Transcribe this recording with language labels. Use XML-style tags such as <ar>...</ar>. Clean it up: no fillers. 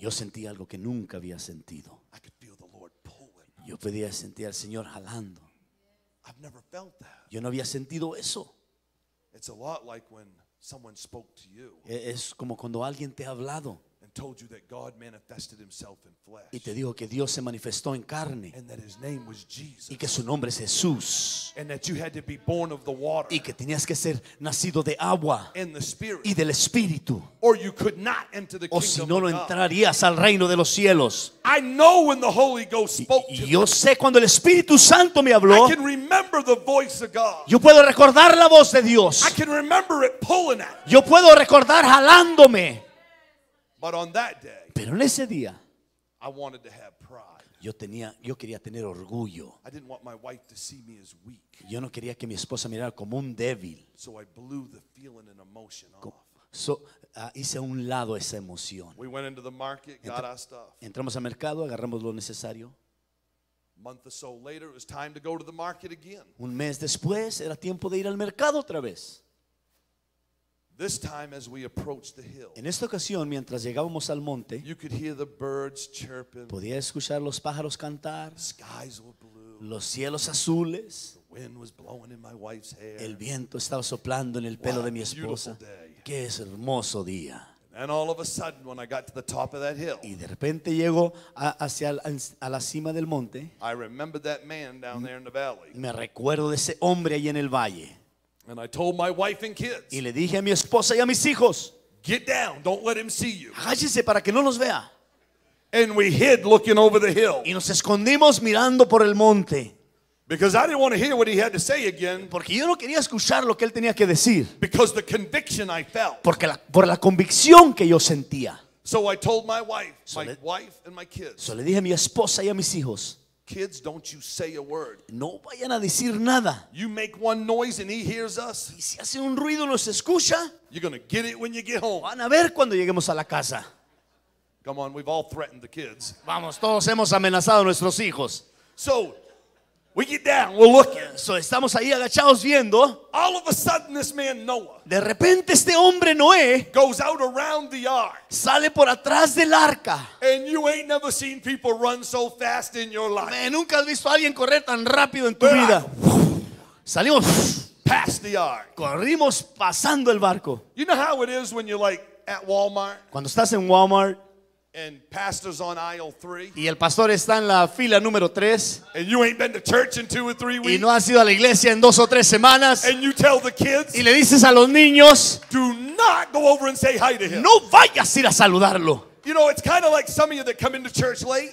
<es>Yo sentí algo que nunca había sentido.</es> <en>I could feel the Lord pulling.</en> <es>Yo podía sentir al Señor jalando.</es> <en>I've never felt that.</en> <es>Yo no había sentido eso.</es> <en>It's a lot like when someone spoke to you.</en> <es>Es como cuando alguien te ha hablado.</es> <en>And told you that God manifested himself in flesh.</en> <es>Y te dijo que Dios se manifestó en carne.</es> <en>And that his name was Jesus.</en> <es>Y que su nombre es Jesús.</es> <en>And that you had to be born of the water.</en> <es>Y que tenías que ser nacido de agua.</es> <en>And the Spirit.</en> <es>Y del Espíritu.</es> <en>Or you could not enter the kingdom of God.</en> <es>O si no, no entrarías al reino de los cielos.</es> <en>I know when the Holy Ghost spoke to me.</en> <es>Yo sé cuando el Espíritu Santo me habló.</es> <en>I can remember the voice of God.</en> <es>Yo puedo recordar la voz de Dios.</es> <en>I can remember it pulling at.</en> <es>Yo puedo recordar jalándome.</es> <en>But on that day,</en> <es>pero en ese día,</es> <en>I wanted to have pride.</en> <es>Yo quería tener orgullo.</es> <en>I didn't want my wife to see me as weak.</en> <es>Yo no quería que mi esposa mirara como un débil.</es> <en>So I blew the feeling and emotion off.</en> <es>Hice a un lado esa emoción.</es> <en>We went into the market, got our stuff.</en> <es>Entramos al mercado, agarramos lo necesario.</es> <en>A month or so later, it was time to go to the market again.</en> <es>Un mes después, era tiempo de ir al mercado otra vez.</es> <en>This time, as we approached the hill,</en> <es>en esta ocasión, mientras llegábamos al monte,</es> <en>you could hear the birds chirping,</en> <es>podía escuchar los pájaros cantar,</es> <en>the skies were blue,</en> <es>los cielos azules,</es> <en>the wind was blowing in my wife's hair,</en> <es>el viento estaba soplando en el pelo</es> <en>what</en> <es>de mi esposa. Qué hermoso día.</es> <en>And all of a sudden, when I got to the top of that hill,</en> <es>y de repente llego a la cima del monte,</es> <en>I remember that man down there in the valley.</en> <es>Me recuerdo de ese hombre ahí en el valle.</es> <en>And I told my wife and kids.</en> <es>Y le dije a mi esposa y a mis hijos.</es> <en>Get down, don't let him see you.</en> <es>Cállese para que no nos vea.</es> <en>And we hid looking over the hill.</en> <es>Y nos escondimos mirando por el monte.</es> <en>Because I didn't want to hear what he had to say again.</en> <es>Porque yo no quería escuchar lo que él tenía que decir.</es> <en>Because the conviction I felt.</en> <es>Porque por la convicción que yo sentía.</es> <en>So I told my wife, my wife and my kids.</en> <es>So le dije a mi esposa y a mis hijos.</es> <en>Kids, don't you say a word.</en> <es>No vayan a decir nada.</es> <en>You make one noise and he hears us.</en> <es>Y si hace un ruido, nos escucha.</es> <en>You're gonna get it when you get home.</en> <es>Van a ver cuando lleguemos a la casa.</es> <en>Come on, we've all threatened the kids.</en> <es>Vamos, todos hemos amenazado a nuestros hijos.</es> <en>So, we get down, we're looking.</en> <es>So, estamos ahí agachados viendo.</es> <en>All of a sudden, this man Noah.</en> <es>De repente, este hombre Noé.</es> <en>Goes out around the ark.</en> <es>Sale por atrás del arca.</es> <en>And you ain't never seen people run so fast in your life.</en> <es>Man, nunca has visto a alguien correr tan rápido en tu vida. Salimos.</es> <en>Past the ark.</en> <es>Corrimos pasando el barco.</es> <en>You know how it is when you're like at Walmart.</en> <es>Cuando estás en Walmart.</es> <en>And pastor's on aisle 3.</en> <es>Y el pastor está en la fila número 3.</es> <en>And you ain't been to church in 2 or 3 weeks.</en> <es>Y no has ido a la iglesia en 2 o 3 semanas.</es> <en>And you tell the kids.</en> <es>Y le dices a los niños.</es> <en>Do not go over and say hi to him.</en> <es>No vayas a ir a saludarlo.</es> <en>You know, it's kind of like some of you that come into church late.</en>